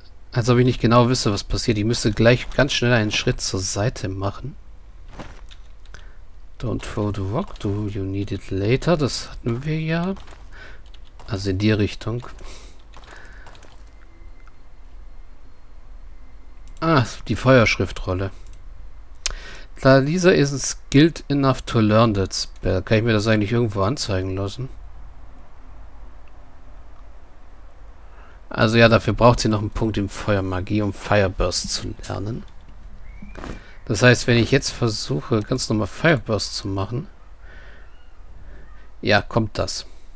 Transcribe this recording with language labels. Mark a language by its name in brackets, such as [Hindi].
[German] Als ob ich nicht genau wüsste, was passiert. Ich müsste gleich ganz schnell einen Schritt zur Seite machen. [English] Don't throw the rock. You need it later. [German] Das hatten wir ja. Also in die Richtung. Ah, die Feuerschriftrolle. [English] Lisa isn't skilled enough to learn that spell. [German] Kann ich mir das eigentlich irgendwo anzeigen lassen? Also ja, dafür braucht sie noch einen Punkt in Feuermagie, um Fireburst zu lernen. Das heißt, wenn ich jetzt versuche, ganz normal Fireburst zu machen, ja, kommt das.